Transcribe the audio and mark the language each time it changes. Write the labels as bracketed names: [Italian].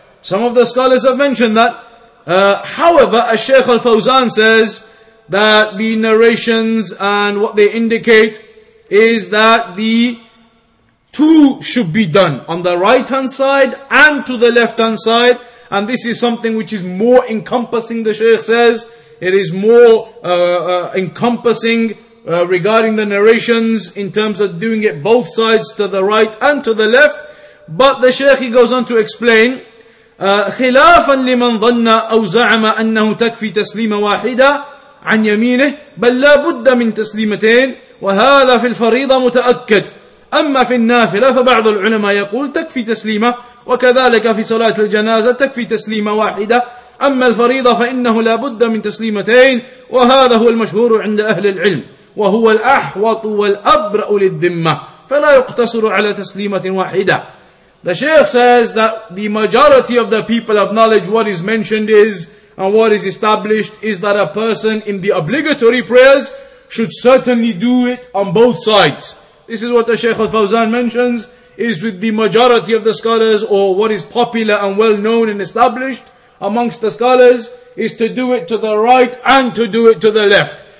[English] Some of the scholars have mentioned that. However, as Shaykh Al-Fawzan says, that the narrations and what they indicate is that the two should be done on the right hand side and to the left hand side. And this is something which is more encompassing, the Shaykh says. It is more encompassing regarding the narrations in terms of doing it both sides, to the right and to the left. But the Shaykh, he goes on to explain, [Arabic] خِلَافًا لِمَنْ ظَنَّ أَوْ زَعَمَ أَنَّهُ تَكْفِي تَسْلِيمَ وَاحِدًا عَنْ يَمِينِهِ بَلْ لَا بُدَّ مِنْ تَسْلِيمَتَيْنِ وَهَذَا فِي الْفَرِيضَةِ مُتَأَكَّدٌ أَمَّا فِي النَّافِلَةِ فَبَعْضُ الْعُلَمَاءِ يَقُولُ تَكْفِي تَسْلِيمَةً وكذلك في صلاة الجنازة تكفي تسليمة واحدة أما الفريضة فإنه لا بد من تسليمتين وهذا هو المشهور عند أهل العلم وهو الأحوط والأبرأ للذمة فلا يقتصر على تسليمة واحدة. [English] The Shaykh says that the majority of the people of knowledge, what is mentioned is and what is established is that a person in the obligatory prayers should certainly do it on both sides. This is what the Shaykh Al-Fawzan mentions is with the majority of the scholars, or what is popular and well known and established amongst the scholars, is to do it to the right and to do it to the left.